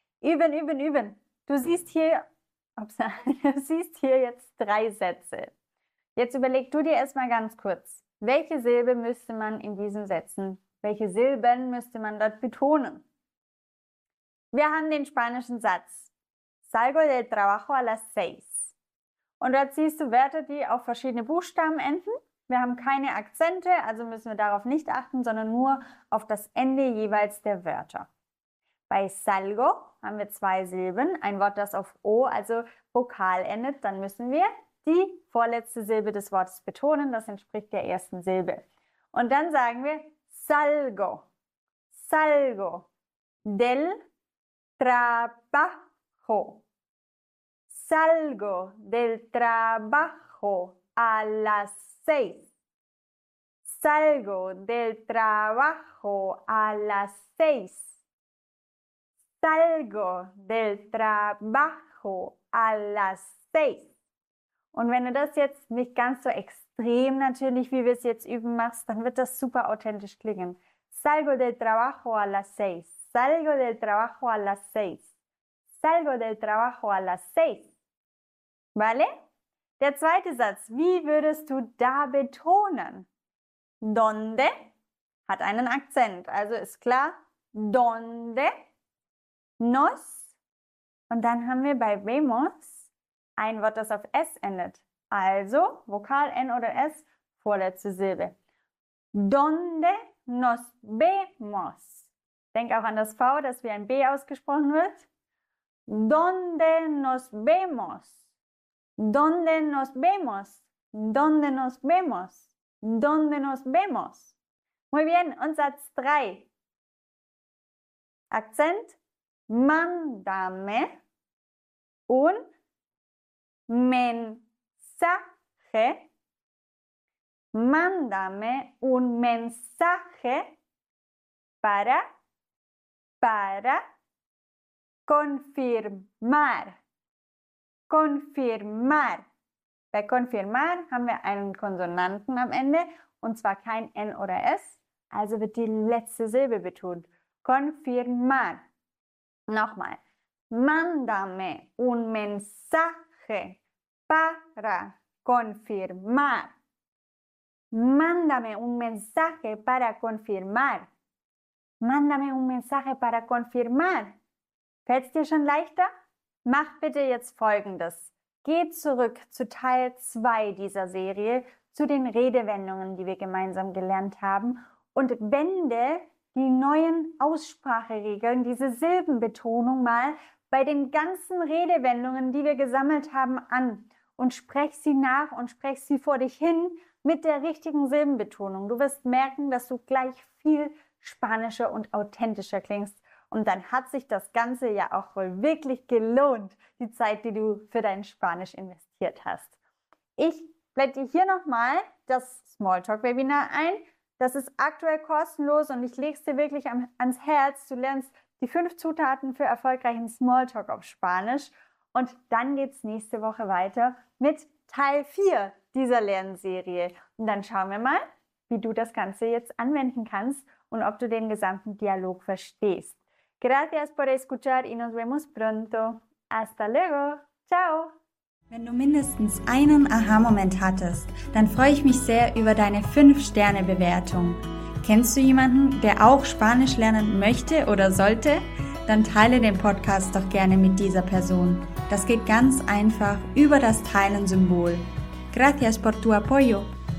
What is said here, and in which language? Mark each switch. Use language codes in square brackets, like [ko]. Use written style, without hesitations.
[de] Üben, üben, üben. Du siehst hier jetzt drei Sätze. Jetzt überleg du dir erstmal ganz kurz, welche Silben müsste man dort betonen? Wir haben den spanischen Satz. [es] Salgo del trabajo a las seis. [de] Und dort siehst du Wörter, die auf verschiedene Buchstaben enden. Wir haben keine Akzente, also müssen wir darauf nicht achten, sondern nur auf das Ende jeweils der Wörter. Bei salgo haben wir zwei Silben, ein Wort, das auf O, also Vokal endet. Dann müssen wir die vorletzte Silbe des Wortes betonen, das entspricht der ersten Silbe. Und dann sagen wir [es] salgo, salgo del trabajo, salgo del trabajo a las seis. Salgo del trabajo a las seis. Salgo del trabajo a las seis. [de] Und wenn du das jetzt nicht ganz so extrem natürlich, wie wir es jetzt üben, machst, dann wird das super authentisch klingen. [es] Salgo del trabajo a las seis. Salgo del trabajo a las seis. Salgo del trabajo a las seis. ¿Vale? [de] Der zweite Satz, wie würdest du da betonen? Donde hat einen Akzent, also ist klar, donde, nos, und dann haben wir bei vemos ein Wort, das auf S endet, also Vokal N oder S, vorletzte Silbe. [es] Donde nos vemos. [de] Denk auch an das V, das wie ein B ausgesprochen wird. [es] Donde nos vemos. ¿Dónde nos vemos? ¿Dónde nos vemos? ¿Dónde nos vemos? Muy bien, [de] und Satz 3. [es] Akzent, mándame un mensaje. Mándame un mensaje para confirmar. Confirmar. [de] Bei confirmar haben wir einen Konsonanten am Ende und zwar kein N oder S, also wird die letzte Silbe betont. [es] Confirmar. Nochmal. Mándame un mensaje para confirmar. Mándame un mensaje para confirmar. Mándame un mensaje para confirmar. [de] Fällt es dir schon leichter? Mach bitte jetzt Folgendes. Geh zurück zu Teil 2 dieser Serie, zu den Redewendungen, die wir gemeinsam gelernt haben und wende die neuen Ausspracheregeln, diese Silbenbetonung mal bei den ganzen Redewendungen, die wir gesammelt haben, an und sprech sie nach und sprech sie vor dich hin mit der richtigen Silbenbetonung. Du wirst merken, dass du gleich viel spanischer und authentischer klingst. Und dann hat sich das Ganze ja auch wohl wirklich gelohnt, die Zeit, die du für dein Spanisch investiert hast. Ich blende dir hier nochmal das Smalltalk-Webinar ein. Das ist aktuell kostenlos und ich lege es dir wirklich ans Herz. Du lernst die 5 Zutaten für erfolgreichen Smalltalk auf Spanisch. Und dann geht es nächste Woche weiter mit Teil 4 dieser Lernserie. Und dann schauen wir mal, wie du das Ganze jetzt anwenden kannst und ob du den gesamten Dialog verstehst. [es] Gracias por escuchar y nos vemos pronto. Hasta luego. Ciao. [de] Wenn du mindestens einen Aha-Moment hattest, dann freue ich mich sehr über deine 5-Sterne-Bewertung. Kennst du jemanden, der auch Spanisch lernen möchte oder sollte? Dann teile den Podcast doch gerne mit dieser Person. Das geht ganz einfach über das Teilen-Symbol. [es] Gracias por tu apoyo.